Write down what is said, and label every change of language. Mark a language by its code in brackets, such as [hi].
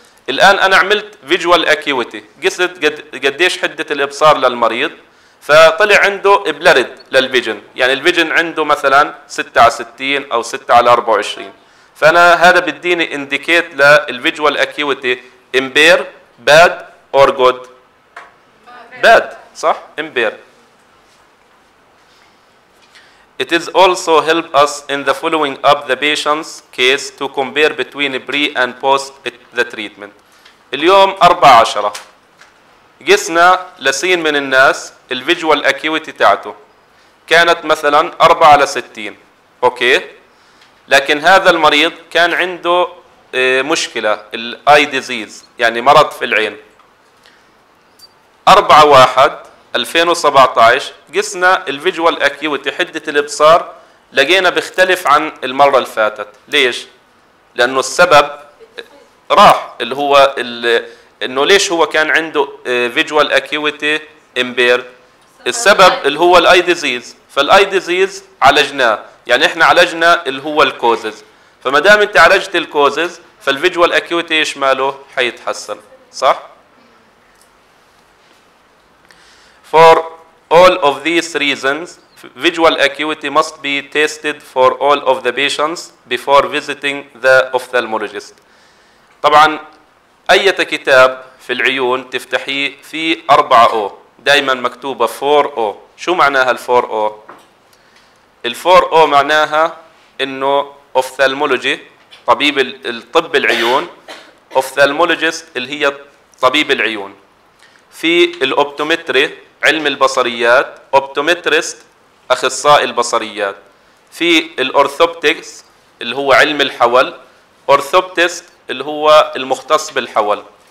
[ar] الان انا عملت فيجوال اكيوتي, قست قديش حده الابصار للمريض, فطلع عنده بلرد للفيجن, يعني الفيجن عنده مثلا 6/60 او 6/24, فانا هذا بديني انديكيت للفيجوال اكيوتي امبير باد [en] or good. Bad, صح, impair. It is also help us in the following up the patient's case to compare between pre and post the treatment. [ar] اليوم 14 قسنا لسين من الناس الفيجوال اكيوتي تاعته كانت مثلا 4/60, اوكي, لكن هذا المريض كان عنده مشكله الاي ديزيز, يعني مرض في العين. 4/1/2017 قسنا الفيجوال اكيوتي حدة الابصار لقينا بيختلف عن المرة اللي فاتت. ليش؟ لانه السبب راح, اللي هو انه ليش هو كان عنده فيجوال اكيوتي امبير, السبب اللي هو الاي ديزيز, فالاي ديزيز عالجناه, يعني احنا عالجنا اللي هو الكوزز, فما دام انت عالجت الكوزز فالفيجوال اكيوتي ايش ماله حيتحسن, صح. [en] For all of these reasons, visual acuity must be tested for all of the patients before visiting the ophthalmologist. [ar] طبعا أي كتاب في العيون تفتحيه في 4O دائما مكتوبة 4O. شو معناها ال4O؟ ال4O معناها إنه ophthalmology طبيب الطب العيون, ophthalmologist اللي هي طبيب العيون, في الأوبتومتري علم البصريات, اوبتومترست اخصائي البصريات, في الاورثوبتكس اللي هو علم الحول, اورثوبتست اللي هو المختص بالحول,